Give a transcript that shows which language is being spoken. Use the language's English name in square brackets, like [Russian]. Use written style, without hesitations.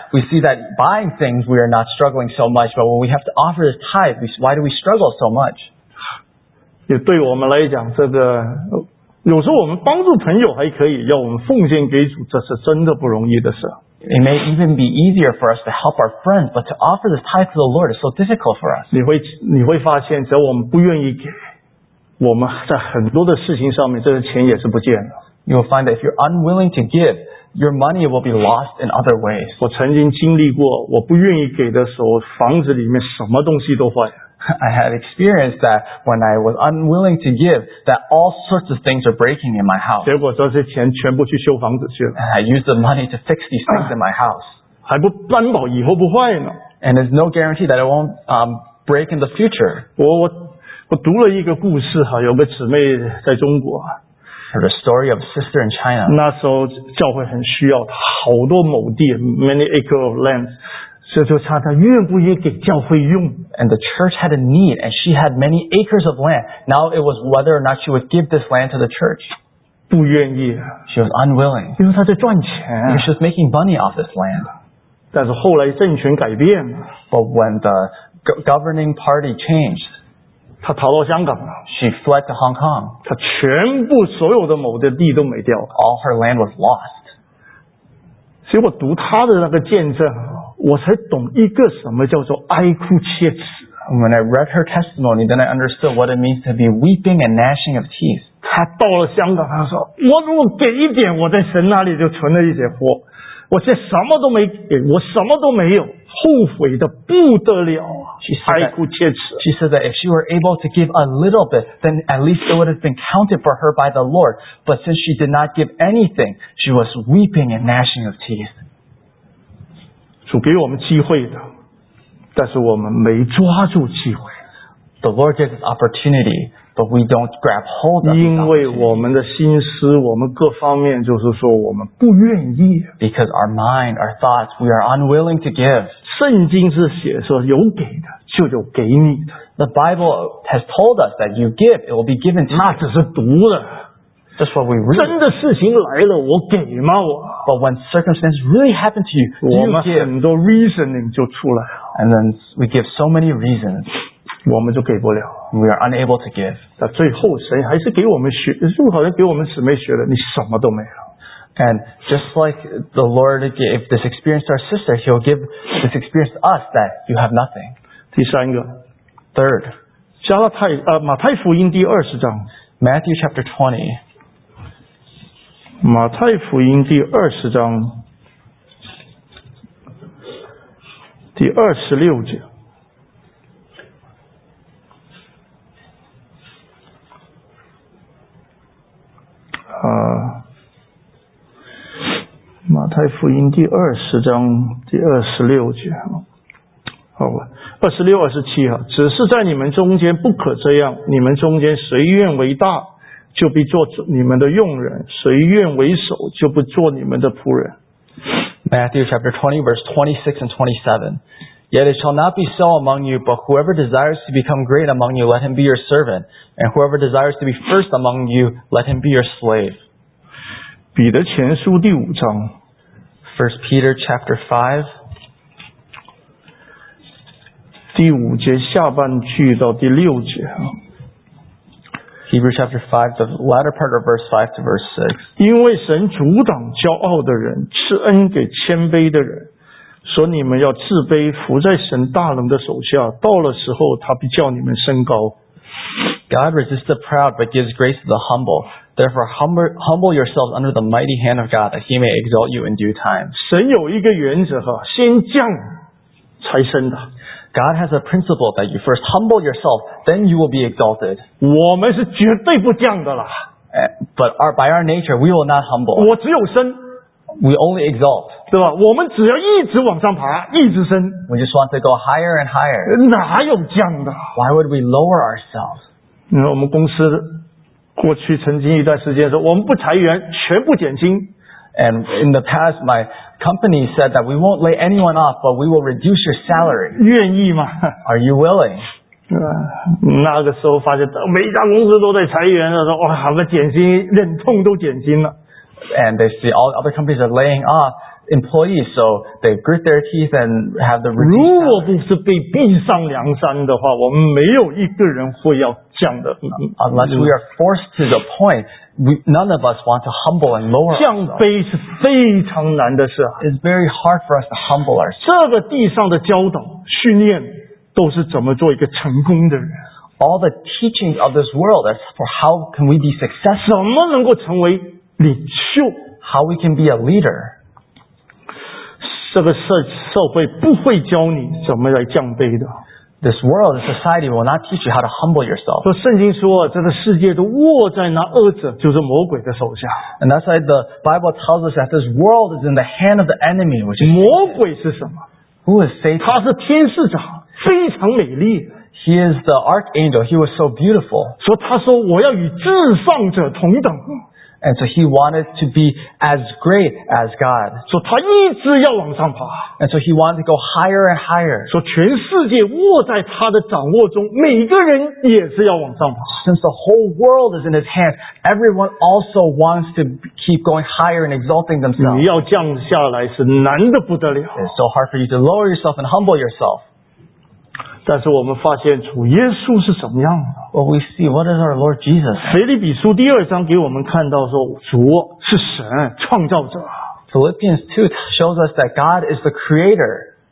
[English] We see that buying things we are not struggling so much, but when we have to offer this tithe, why do we struggle so much? [Chinese] 也对我们来讲，这个有时候我们帮助朋友还可以，要我们奉献给主，这是真的不容易的事。 [English] It may even be easier for us to help our friends, but to offer this tithe to the Lord is so difficult for us. [Chinese] 你会发现，只要我们不愿意给。我们在很多的事情上面，这个钱也是不见的。 [English] You will find that if you're unwilling to give, your money will be lost in other ways. [Chinese] 我曾经经历过，我不愿意给的时候，房子里面什么东西都坏了。 [English] I had experienced that when I was unwilling to give, that all sorts of things are breaking in my house. [Chinese] 结果这些钱全部去修房子去了。 [English] And I used the money to fix these things in my house. [Chinese] 还不担保以后不坏呢。 [English] And there's no guarantee that it won't break in the future. [Chinese] 我读了一个故事哈，有个姊妹在中国。 [English] The story of sister in China. [Chinese] 那时候教会很需要，好多亩地 ， [English] many acres of land， [Chinese] 所以就看她愿不愿意给教会用。 [English] And the church had a need, and she had many acres of land. Now it was whether or not she would give this land to the church. [Chinese] 不愿意。 [English] She was unwilling. [Chinese] 因为她在赚钱。 [English] Because she was making money off this land. [Chinese] 但是后来政权改变。 [English] But when the governing party changed. [Chinese] 他逃到香港了。 [English] She fled to Hong Kong. [Chinese] 他全部所有的某的地都没掉。 [English] All her land was lost. [Chinese] 所以我读他的那个见证，我才懂一个什么叫做哀哭切齿。 [English] When I read her testimony, then I understood what it means to be weeping and gnashing of teeth. [Chinese] 他到了香港，他说：“我如果给一点，我在神那里就存了一点货。我现在什么都没给，我什么都没有。” 后悔的不得了啊，哀哭切齿。 [English] She said that if she were able to give a little bit, then at least it would have been counted for her by the Lord. But since she did not give anything, she was weeping and gnashing of teeth. [Chinese] 主给我们机会的，但是我们没抓住机会。 [English] The Lord gives us opportunity, but we don't grab hold of it. [Chinese] 因为我们的心思，我们各方面就是说我们不愿意。 [English] Because our mind, our thoughts, we are unwilling to give. [Chinese] 圣经是写说有给的就有给你的。 [English] The Bible has told us that you give, it will be given to you. [Chinese] 那只是读的。 [English] That's what we read. [Chinese] 真的事情来了我给吗我。 [English] But when circumstances really happen to you, do you give? [Chinese] 我们很多 reasoning 就出来了。 [English] And then we give so many reasons. [Chinese] 我们就给不了。 [English] We are unable to give. [Chinese] 但最后神还是给我们学，就好像给我们姊妹学的，你什么都没有。 [English] And just like the Lord gave this experience to our sister, He'll give this experience to us that you have nothing. [Chinese] 第三个 [English] Third, [Chinese] 加拉太马太福音第二十章 [English] Matthew chapter 20. [Chinese] 马太福音第二十章第二十六节马太福音第二十章第二十六节好吧二十六二十七只是在你们中间不可这样你们中间谁愿为大就必做你们的用人谁愿为首就不做你们的仆人 [English] Matthew chapter 20 verse 26 and 27 Yet it shall not be so among you, but whoever desires to become great among you, let him be your servant. And whoever desires to be first among you, let him be your slave. [Chinese] 彼得前书第五章。 [English] First Peter chapter 5. [Chinese] 第五节下半句到第六节。 [English] Hebrews chapter 5, the latter part of verse 5 to verse 6. [Chinese] 因为神阻挡骄傲的人，赐恩给谦卑的人。说你们要自卑，伏在神大能的手下，到了时候他必叫你们升高。 [English] God resists the proud but gives grace to the humble. Therefore humble yourselves under the mighty hand of God that he may exalt you in due time. [Chinese] 神有一个原则，先降才升的。 [English] God has a principle that you first humble yourself, then you will be exalted. [Chinese] 我们是绝对不降的了。 [English] But by our nature we will not humble. [Chinese] 我只有升。 [English] We only exalt. [Chinese] 对吧？我们只要一直往上爬，一直升。 [English] We just want to go higher and higher. [Chinese] 哪有降的？ [English] Why would we lower ourselves? [Chinese] 因为我们公司过去曾经一段时间说，我们不裁员，全部减薪。 [English] And in the past, my company said that we won't lay anyone off, but we will reduce your salary. [Chinese] 愿意吗？ [English] Are you willing? [Chinese] 对吧？那个时候发现每一家公司都在裁员，说哇，他们减薪，忍痛都减薪了。 [English] And they see all other companies are laying off employees, so they grit their teeth and have the reduced salary. [Chinese] 如果不是被逼上梁山的话，我们没有一个人会要降的。 [English] Unless we are forced to the point, none of us want to humble and lower. [Chinese] 降卑是非常难的事。 [English] It's very hard for us to humble ourselves. [Chinese] 这个地上的教导、训练都是怎么做一个成功的人。 [English] All the teachings of this world as for how can we be successful. [Chinese] 怎么能够成为领袖 [English] How we can be a leader. [Chinese] 这个社会不会教你怎么来降卑的。 [English] This world, the society will not teach you how to humble yourself. [Chinese] 说圣经说这个世界都握在那恶者就是魔鬼的手下。 [English] And that's why the Bible tells us that this world is in the hand of the enemy, which is [Chinese] 魔鬼是什么？ [English] Who is Satan? [Chinese] 他是天使长，非常美丽。 [English] He is the archangel, he was so beautiful. [Chinese] 说他说我要与至上者同等。 [English] And so he wanted to be as great as God. [Chinese] So 他一直要往上爬。 [English] And so he wanted to go higher and higher. [Chinese] So 全世界握在他的掌握中，每个人也是要往上爬。 [English] Since the whole world is in his hands, everyone also wants to keep going higher and exalting themselves. [Chinese] 你要降下来是难得不得了。 [English] It's so hard for you to lower yourself and humble yourself. [Chinese] 但是我们发现主耶稣是怎么样的。 [English] Well, we see what is our Lord Jesus. [Chinese] 腓立比书第二章给我们看到说主是神创造者。 [English] Philippians 2 shows us that God is the creator.